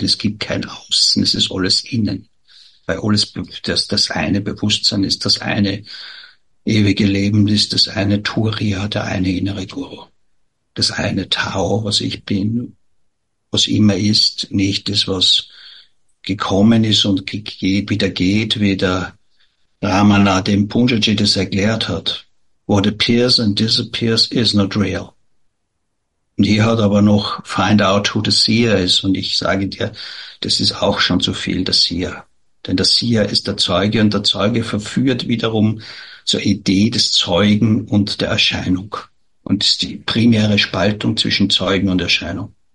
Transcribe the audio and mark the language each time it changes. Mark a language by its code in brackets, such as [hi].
[de] Es gibt kein Außen, es ist alles innen. Weil alles, das eine Bewusstsein ist, das eine ewige Leben ist, das eine Turiya, der eine innere Guru. Das eine Tao, was ich bin, was immer ist, nicht das, was gekommen ist und wieder geht, wie der Ramana dem Punjaji das erklärt hat. [en] What appears and disappears is not real. [de] Und hier hat aber noch [en] Find out who the Seer is. [de] Und ich sage dir, das ist auch schon zu viel, der Seer. Denn der Seer ist der Zeuge und der Zeuge verführt wiederum zur Idee des Zeugen und der Erscheinung. Und ist die primäre Spaltung zwischen Zeugen und Erscheinung.